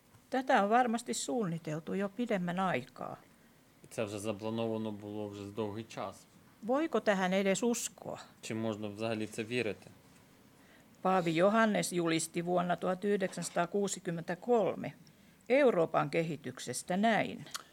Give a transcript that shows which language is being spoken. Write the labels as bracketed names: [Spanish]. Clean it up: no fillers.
[Finnish] Tätä on varmasti suunniteltu jo pidemmän aikaa. [Ukrainian] Це вже заплановано було вже з довгий час. [Finnish] Voiko tähän edes uskoa? [Ukrainian] Чи можна взагалі це вірити? [Finnish] Paavi Johannes julisti vuonna 1963 Euroopan kehityksestä näin.